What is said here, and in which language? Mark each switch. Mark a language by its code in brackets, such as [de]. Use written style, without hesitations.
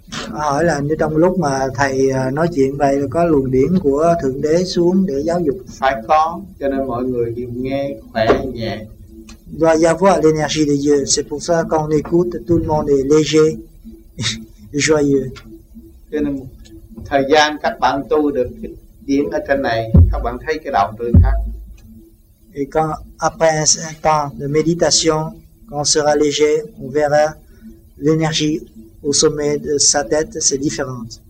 [vi] Hỏi là như trong lúc mà thầy nói chuyện vậy có luồng điển của Thượng Đế xuống để giáo dục. Phải có, cho nên mọi người đều nghe khỏe nhẹ. [fr] Doit y avoir l'énergie de Dieu, c'est pour ça qu'on écoute, tout le monde est léger, joyeux. [vi] Cho nên thời gian các bạn tu được cái điển ở trên này, các bạn thấy cái đạo tương khác. [fr] Et quand, après un temps de méditation, quand on sera léger, on verra l'énergie au sommet de sa tête, c'est différent.